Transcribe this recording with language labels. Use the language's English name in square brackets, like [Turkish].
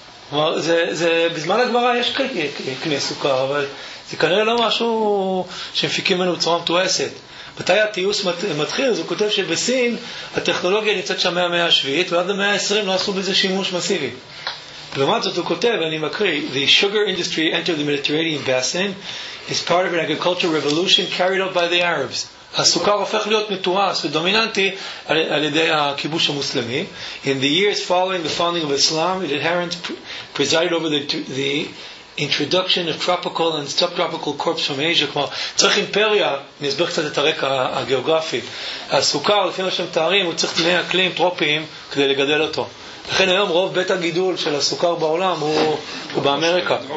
[Hebrew] כלומר, זה בזמן הגמרא יש קנה סוכר, אבל זה כנראה לא משהו שמפיקים לנו בצורה מתועסת. מתי הטיוס מתחיל? אז הוא כותב שבסין הטכנולוגיה נמצאת שם מהמאה השביעית ועד המאה ה-20 לא עשו בזה שימוש מסיבי. לעומת זאת הוא כותב, אני מקריא, [English] the sugar industry entered the Mediterranean basin is part of an agricultural revolution carried out by the Arabs. [Hebrew] הסוכר הופך להיות מתועס ודומיננטי על ידי הכיבוש המוסלמי. [English] In the years following the founding of Islam, it inherent presided over the introduction of tropical and subtropical crops from Asia. [Hebrew] כלומר, צריך אימפריה, נסביר קצת את הרקע הגיאוגרפי. הסוכר, לפי מה שהם תארים, הוא צריך תנאי אקלים טרופיים כדי לגדל אותו. לכן היום רוב בית הגידול של הסוכר בעולם הוא באמריקה.